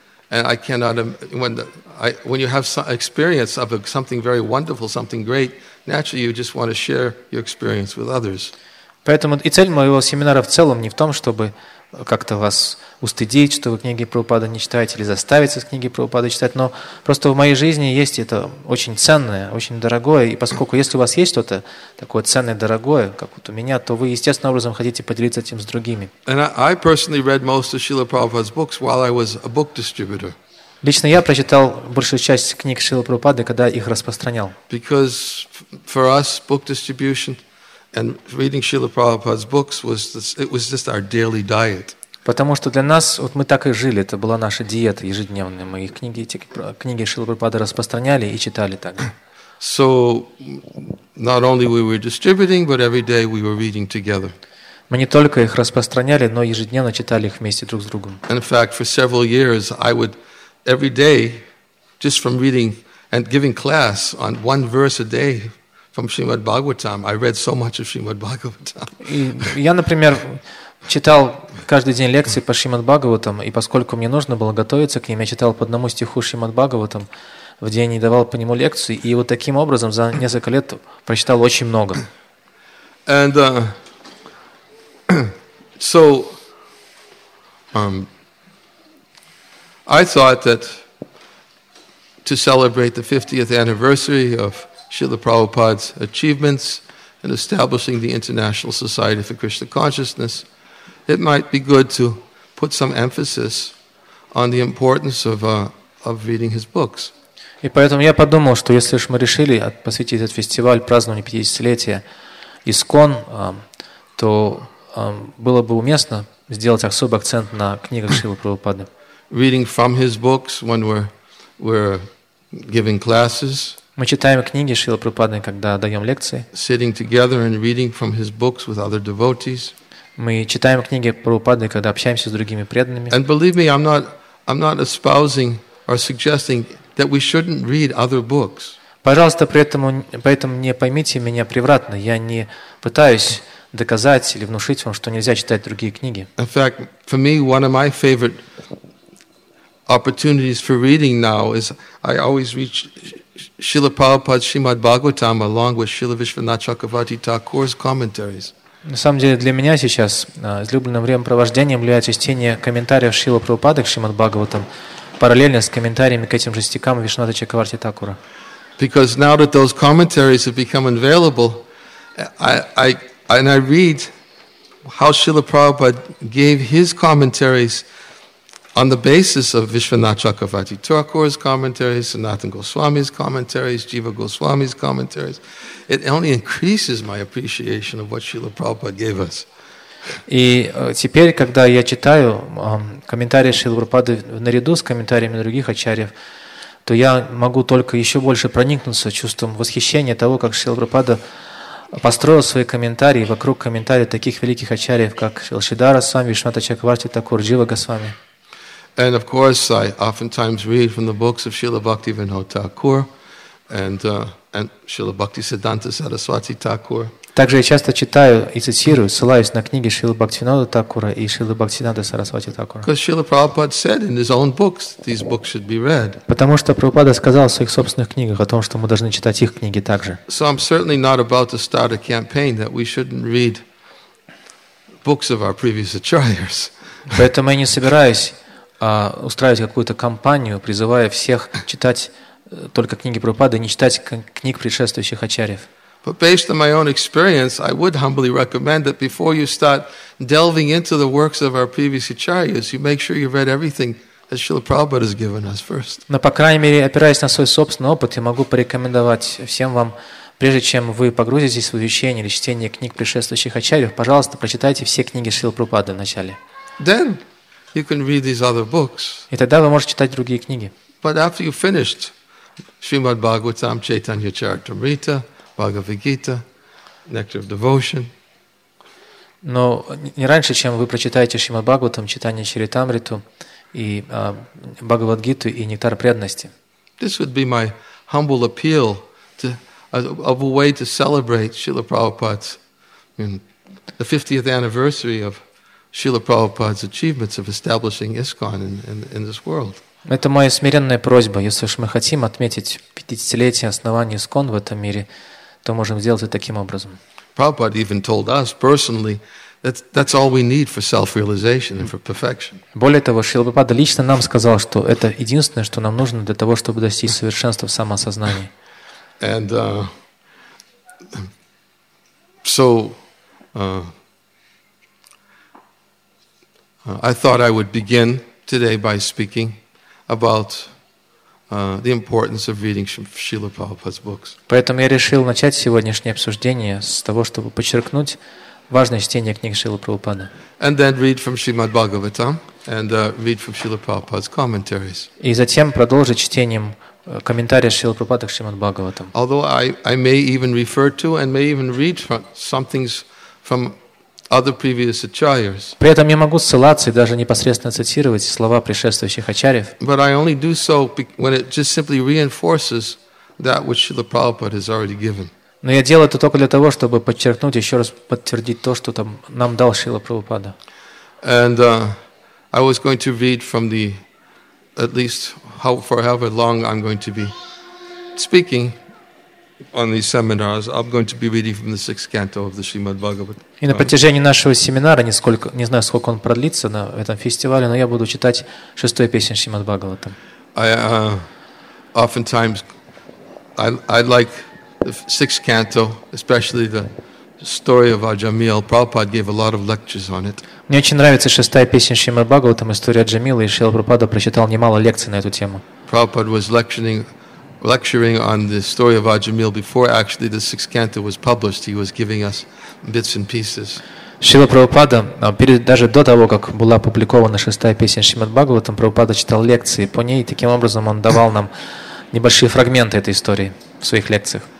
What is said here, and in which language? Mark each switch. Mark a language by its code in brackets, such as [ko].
[en] And I cannot when you have some experience of something very wonderful, something great, naturally you just want to share your experience with others. [ru] Поэтому и цель моего семинара в целом не в том, чтобы как-то вас устыдить, что вы книги Прабхупады не читаете или заставиться с книги Прабхупады читать, но просто в моей жизни есть это очень ценное, очень дорогое, и поскольку если у вас есть что-то такое ценное, дорогое, как вот у меня, то вы естественным образом хотите поделиться этим с другими. [en] And I personally read most of Srila Prabhupada's books while I was a book distributor. [ru] Лично я прочитал большую часть книг Шрилы Прабхупады, когда их распространял. [en] Because for us book distribution and reading Srila Prabhupada's books was just our daily diet. [ru] Потому что для нас, вот мы так и жили, это была наша диета ежедневная. Мы книги Шрилы Прабхупады распространяли и читали так. [en] So not only we were distributing, but every day we were reading together. [ru] Мы не только их распространяли, но ежедневно читали их вместе друг с другом. [en] In fact, for several years I would every day just from reading and giving class on one verse a day from Srimad Bhagavatam. I read so much of Srimad Bhagavatam. [ru] Я, например, читал каждый день лекции по Шримад Бхагаватам, и поскольку мне нужно было готовиться к ним, я читал по одному стиху Шримад Бхагаватам в день и давал по нему лекции, и вот таким образом за несколько лет прочитал очень много. [en] And so I thought that to celebrate the 50th anniversary of Srila Prabhupada's achievements in establishing the International Society for Krishna Consciousness, it might be good to put some emphasis on the importance of reading his books. [ru] И поэтому я подумал, что если уж мы решили посвятить этот фестиваль празднованию 50-летия ИСККОН, то было бы уместно сделать особый акцент на книгах Шрилы Прабхупады. [en] Reading from his books when we're giving classes. [ru] Мы читаем книги Шрилы Прабхупады, когда даем лекции. [en] Sitting together and reading from his books with other devotees. [ru] Мы читаем книги Прабхупады, когда общаемся с другими преданными. [en] And believe me, I'm not espousing or suggesting that we shouldn't read other books. [ru] Пожалуйста, поэтому не поймите меня превратно. Я не пытаюсь доказать или внушить вам, что нельзя читать другие книги. [en] In fact, for me, one of my favorite opportunities for reading now is I always read Srila Prabhupada's Srimad Bhagavatam along with Srila Vishwanatha Chakravarti Thakur's commentaries. [ru] На самом деле, для меня сейчас излюбленным времяпровождением является чтение комментариев Шрилы Прабхупады к Шримад Бхагаватам параллельно с комментариями к этим же стихам Вишнуната Чакраварти Такура. [en] Because now that those commentaries have become available, I read how Srila Prabhupada gave his commentaries on the basis of Vishwanatha Chakravarti Thakur's commentaries, Sanatana Goswami's commentaries, Jiva Goswami's commentaries. It only increases my appreciation of what Srila Prabhupada gave us. [ru] И теперь, когда я читаю комментарии Шрилы Прабхупады наряду с комментариями других ачарьев, то я могу только еще больше проникнуться чувством восхищения того, как Шрила Прабхупада построил свои комментарии вокруг комментариев таких великих ачарьев, как Шридхара Свами, Вишнуната Чакраварти Такур, Джива Госвами. [en] And of course, I oftentimes read from the books of Srila Bhaktivinoda Thakur and Srila Bhaktisiddhanta Saraswati Thakur. [ru] Также я часто читаю и цитирую, ссылаюсь на книги Шрилы Бхактивинода Такура и Шрилы Бхактисиддханты Сарасвати Такура. [en] Because Srila Prabhupada said in his own books, these books should be read. [ru] Потому что Прабхупада сказал в своих собственных книгах о том, что мы должны читать их книги также. [en] So I'm certainly not about to start a campaign that we shouldn't read books of our previous acharyas. [ru] Поэтому я не собираюсь устраивать какую-то кампанию, призывая всех читать только книги Прабхупады, не читать книг предшествующих ачарьев. [en] But based on my own experience, I would humbly recommend that before you start delving into the works of our previous acharyas, you make sure you read everything that Srila Prabhupada has given us first. [ru] Но, по крайней мере, опираясь на свой собственный опыт, я могу порекомендовать всем вам, прежде чем вы погрузитесь в изучение или чтение книг предшествующих ачарьев, пожалуйста, прочитайте все книги Шрилы Прабхупады вначале. [en] Then you can read these other books. [ru] И тогда вы можете читать другие книги. [en] But after you finished Srimad Bhagavatam, Chaitanya Charitamrita, Bhagavad Gita, Nectar of Devotion. [ru] Но не раньше, чем вы прочитаете Шримад Бхагаватам, Чайтанья Чаритамриту и Бхагавад Гиту и Нектар преданности. [en] This would be my humble appeal to of a way to celebrate Srila Prabhupada's the 50th anniversary of Srila Prabhupada's achievements of establishing ISKCON in this world. [ru] Это моя смиренная просьба, если уж мы хотим отметить 50-летие основания ИСККОН в этом мире, то можем сделать это таким образом. [en] Prabhupada even told us personally that's all we need for self-realization and for perfection. [ru] Более того, Шрила Прабхупада лично нам сказал, что это единственное, что нам нужно для того, чтобы достичь совершенства в самосознании. [en] And so I thought I would begin today by speaking about the importance of reading Srila Prabhupada's books. [ru] Поэтому я решил начать сегодняшнее обсуждение с того, чтобы подчеркнуть важность чтения книг Шрилы Прабхупады. [en] And then read from Srimad Bhagavatam and read from Srila Prabhupada's commentaries. [ru] И затем продолжить чтением комментариев Шрилы Прабхупады к Шримад Бхагаватам. [en] Although I may even refer to and may even read from some things from other previous acharyas. [ru] При этом я могу ссылаться и даже непосредственно цитировать слова предшествующих ачарьев. [en] But I only do so when it just simply reinforces that which Srila Prabhupada has already given. [ru] Но я делаю это только для того, чтобы подчеркнуть, еще раз подтвердить то, что там нам дал Шрила Прабхупада. [en] And I was going to read from the at least however long I'm going to be speaking on these seminars, I'm going to be reading from the sixth canto of the Srimad Bhagavatam. [ru] И на протяжении нашего семинара, не знаю, сколько он продлится на этом фестивале, но я буду читать шестую песню Шримад Бхагаватам. [en] I oftentimes I like the sixth canto, especially the story of Аджамил. Prabhupada gave a lot of lectures on it. [ru] Мне очень нравится шестая песня Шримад Бхагаватам, история Аджамила, и Шрила Прабхупада прочитал немало лекций на эту тему. [en] Prabhupada was lecturing on the story of Аджамил before actually the sixth canto was published. He was giving us bits and pieces. [ru] Шрила Прабхупада, даже до того, как была опубликована шестая песня Шримад Бхагаватам, Прабхупада читал лекции по ней, и таким образом он давал нам небольшие фрагменты этой истории в своих лекциях.